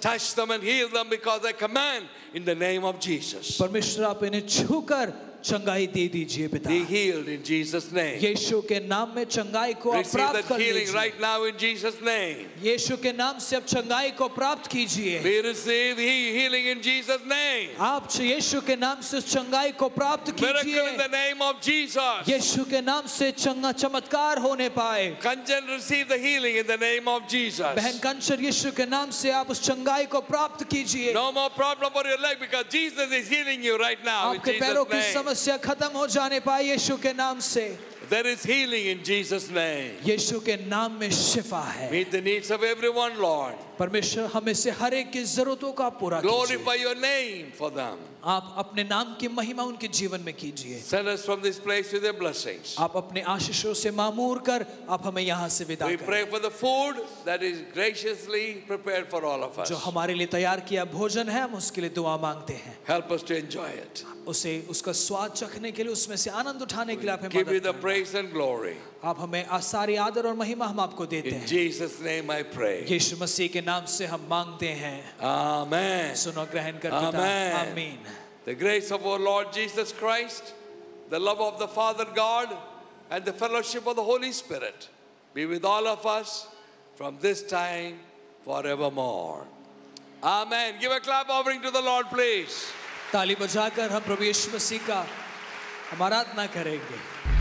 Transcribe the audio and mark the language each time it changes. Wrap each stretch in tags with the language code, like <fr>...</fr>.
<en>Touch them and heal them because I command in the name of Jesus.</en> <hi>परमेश्वर आप इन्हें छूकर चंगाई दे दीजिए पिता.</hi> <en>Be healed in Jesus' name.</en> <hi>यीशु के नाम में चंगाई को प्राप्त कर लीजिए.</hi> <en>Receive that healing right now in Jesus' name.</en> <hi>यीशु के नाम से अब चंगाई को प्राप्त कीजिए.</hi> <en>We receive healing in Jesus' name.</en> <hi>आप यीशु के नाम से चंगाई को प्राप्त कीजिए.</hi> <en>Miracle in the name of Jesus.</en> <hi>यीशु के नाम से चंगा चमत्कार होने पाए.</hi> <en>Kanchan receive the healing in the name of Jesus.</en> <hi>बहन कंचन यीशु के नाम से आप उस चंगाई को प्राप्त कीजिए.</hi> <en>No more problem for your leg because Jesus is healing you right now.</en> <hi>आपके पैरों की समस्या खत्म हो जाने पाए यीशु के नाम से</hi> <en>There is healing in Jesus' name.</en> <hi>यीशु के नाम में शिफा है.</hi> <en>Meet the needs of everyone, Lord.</en> <hi>परमेश्वर हमें से हर एक की जरूरतों का पूरा कीजिए.</hi> <en>Glorify your name for them.</en> <hi>आप अपने नाम की महिमा उनके जीवन में कीजिए.</hi> <en>Send us from this place with your blessings.</en> <hi>आप अपने आशीषों से मामूर कर आप हमें यहाँ से विदा करें.</hi> <en>We pray for the food that is graciously prepared for all of us.</en> <hi>जो हमारे लिए तैयार किया भोजन है हम उसके लिए दुआ मांगते हैं.</hi> <en>Help us to enjoy it.</en> <hi>उसे उसका स्वाद चखने के लिए उसमें से आनंद उठाने के लिए आप हमें मदद करें.</hi> <en>Give you the praise and glory.</en> <hi>आप हमें सारी आदर और महिमा हम आपको देते हैं.</hi> <en>In Jesus name I pray.</en> <hi>यीशु मसीह के नाम से हम मांगते हैं.</hi> <en>Amen.</en> <hi>सुनो ग्रहण कर</hi> <en>Amen. Amen. The grace of our Lord Jesus Christ, the love of the Father God, and the fellowship of the Holy Spirit be with all of us from this time forevermore. Amen. Give a clap offering to the Lord, please.</en> <hi>ताली बजाकर हम प्रभु यीशु मसीह का हम आराधना करेंगे.</hi>